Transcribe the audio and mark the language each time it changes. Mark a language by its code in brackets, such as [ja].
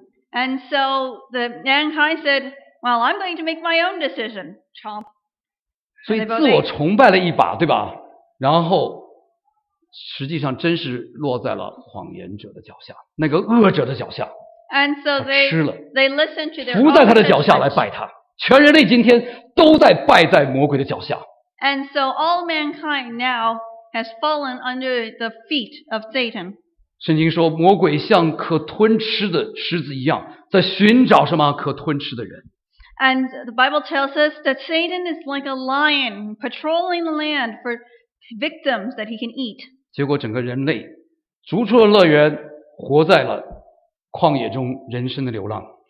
[en] And so the man high said, "Well, I'm going to make my own decision." Chomp. [zh] 所以自我崇拜了一把，对吧？然后实际上真是落在了谎言者的脚下，那个恶者的脚下。 [en] And so they [zh] 吃了， [en] they listened to their own [zh] decision. 伏在他的脚下来拜他，全人类今天都在拜在魔鬼的脚下。 [en] And so all mankind now. Has fallen under the feet of Satan. [zh] 圣经说，魔鬼像可吞吃的狮子一样，在寻找什么可吞吃的人。 [en] And the Bible tells us that Satan is like a lion patrolling the land for victims that he can eat. [zh] 结果整个人类逐出了乐园，活在了旷野中，人生的流浪。